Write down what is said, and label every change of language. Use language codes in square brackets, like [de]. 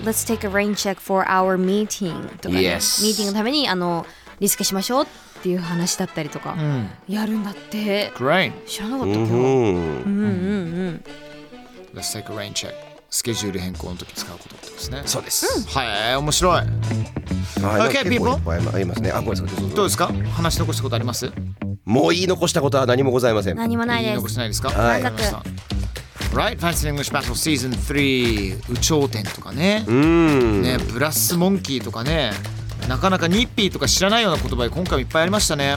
[en] Let's take a rain check for our meeting [ja] とか、ね、 [en] yes. [ja] ミーティングのためにあのリスケしましょうっていう話だったりとか、うん、やるんだって、 [en] Great. [ja] 知らなかった、今日、うんうんうんうん、 [en] Let's take a rain check、 [ja] スケジュール変更の時使うことってですね、そうです、うん、はい、面白い、 [en] はい、OK, people? [ja] ありますね。あ、ごめんなさい。どうですか？話し残したことあります？もう言い残したことは何もございません。何もないです。言い残してないですか？はい。 [en] Right, Fancy English Battle Season 3. [ja] 宇宙天とかね。ね、ブラスモンキーとかね。なかなかニッピーとか知らないような言葉で今回もいっぱいありましたね。